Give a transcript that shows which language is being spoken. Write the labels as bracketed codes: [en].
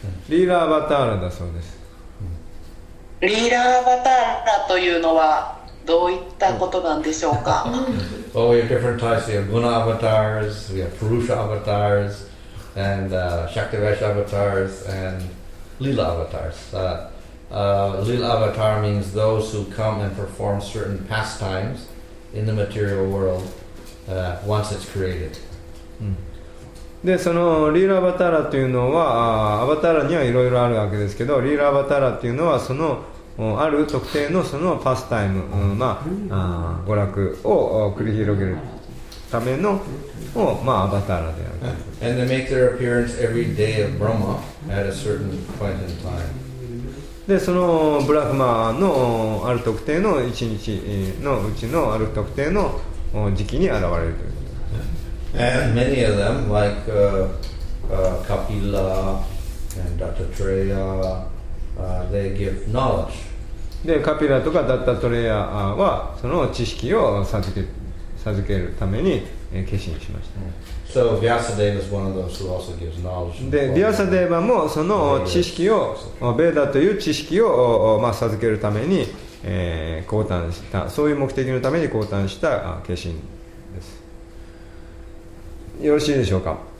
[ja] リーラアバターラだそうです。リーラアバターラというのは。どういったことなんでしょうか。 [en] Well, we have different types. We have Guna avatars, we have Purusha avatars, and Shaktivesh avatars, and Lila avatars. Lila avatar means those who come and perform certain pastimes in the material world once it's created. [ja] で、そのリーラアバターラというのは、アバターラにはいろいろあるわけですけど、リーラアバターラというのはそのある特定のそのパスタイム、まあ、娯楽を繰り広げるためのを、まあ、アバターラである。 [en] And they make their appearance every day of Brahma at a certain point in time. [ja] で、そのブラフマーのある特定の一日のうちのある特定の時期に現れるということ。 [en] And many of them, like Kapila and Dattatreya,they give knowledge. [ja] で、カピラとかダッタトレイヤーはその知識を授けるために決心しました。 [en] So Vyasadeva is one of those who also gives knowledge. [ja] で、ヴィアサデーバもその知識をベーダという知識を、まあ、授けるために、降誕した、そういう目的のために降誕した決心です。よろしいでしょうか。